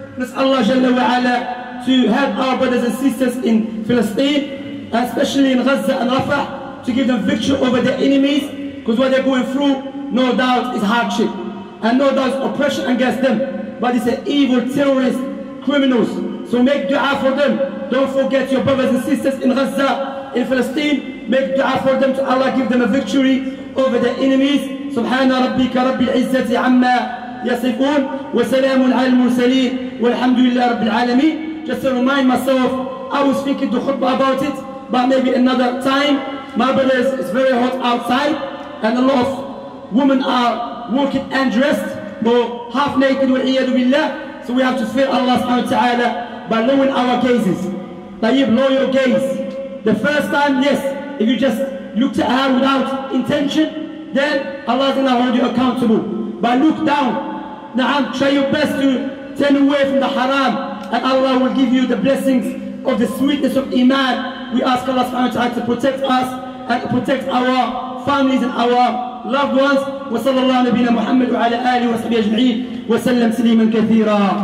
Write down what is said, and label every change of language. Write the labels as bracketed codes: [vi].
[en] May Allah Jalla wa Ala to help our brothers and sisters in Palestine, especially in Gaza and Rafah, to give them victory over their enemies, because what they're going through, no doubt, is hardship. And no doubt, oppression against them. But it's an evil, terrorist, criminals. So make dua for them. Don't forget your brothers and sisters in Gaza, in Palestine. Make dua for them to Allah, give them a victory over the enemies. [ar] سبحان ربك رب العزة عما يصفون وسلام على المرسلين والحمد لله رب العالمين. [en] Just to remind myself, I was thinking to khutbah about it, but maybe another time. My brothers, it's very hot outside, and a lot of women are walking undressed, but half naked, [ar] وعياذ بالله. [en] So we have to fear Allah subhanahu wa ta'ala by lowering our gazes. طيب, lower your gaze. The first time, yes, if you just looked at her without intention, then Allah is going to hold you accountable. But look down. Na'am, try your best to turn away from the haram, and Allah will give you the blessings of the sweetness of Iman. We ask Allah subhanahu wa ta'ala to protect us and protect our families and our loved ones. [ar] وصلى الله نبينا محمد وعلى آله وصحبه أجمعين وسلم سليما كثيرا.